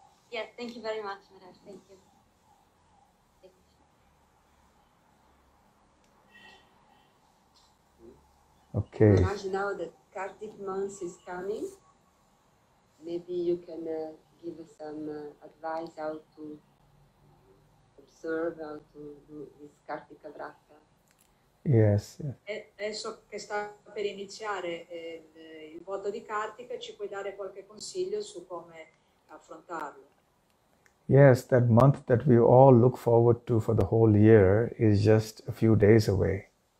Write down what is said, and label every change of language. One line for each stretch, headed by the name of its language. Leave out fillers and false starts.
English: Yes, thank you very much, Maharaj. Thank you. Okay. Maharaj, now that Kartik month is coming, maybe you can give some advice how to observe, how to do this Kartika Vrata. Yes.
Italian: Adesso che sta per iniziare il voto di Kartika, ci puoi dare qualche consiglio su come affrontarlo?
English: Yes, that month that we all look forward to for the whole year is just a few days away.